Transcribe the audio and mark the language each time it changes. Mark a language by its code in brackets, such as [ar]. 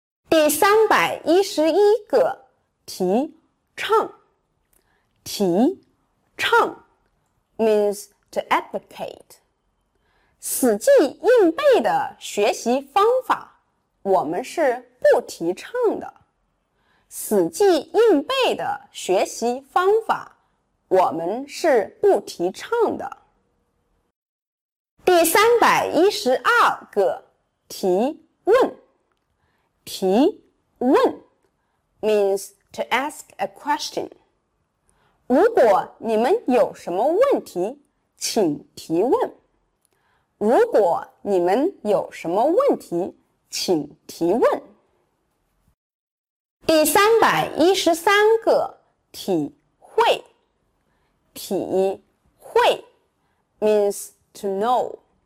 [zh] 第311个提倡提倡 [en] means to advocate. [zh] 死记硬背的学习方法我们是不提倡的。死记硬背的学习方法我们是不提倡的。第312个提问提问 [en] means to ask a question. [zh] 如果你们有什么问题请提问。如果你们有什么问题请提问。第313个体会，体会 [en] means to know。